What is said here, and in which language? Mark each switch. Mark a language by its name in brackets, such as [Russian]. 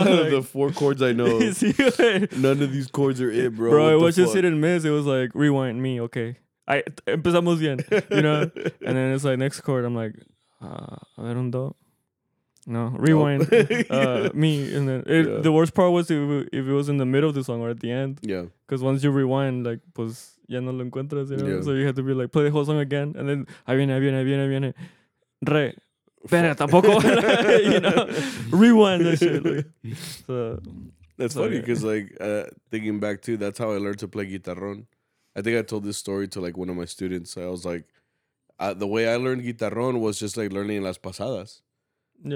[English] head like, of the four chords I know. See, none of these chords are it, bro. Bro, what it was just hit and miss. It was like, rewind me, okay. [Spanish] Empezamos bien, [English] you know? And then it's like, next chord, I'm like, I don't know. No, rewind. me. And then the worst part was if it was in the middle of the song or at the end. Yeah. Because once you rewind, like, [Spanish] pues, ya no lo encuentras, [English] you know? Yeah. So you have to be like, play the whole song again. And then, [Spanish] ahí viene. [English] Re. [Spanish] Pero tampoco. [English] You know? Rewind that shit. Like. So, that's funny because, like, thinking back to, that's how I learned to play guitarrón. I think I told this story to, like, one of my students. So I was like, the way I learned guitarrón was just, like, learning [Spanish] las pasadas. [English] Yeah.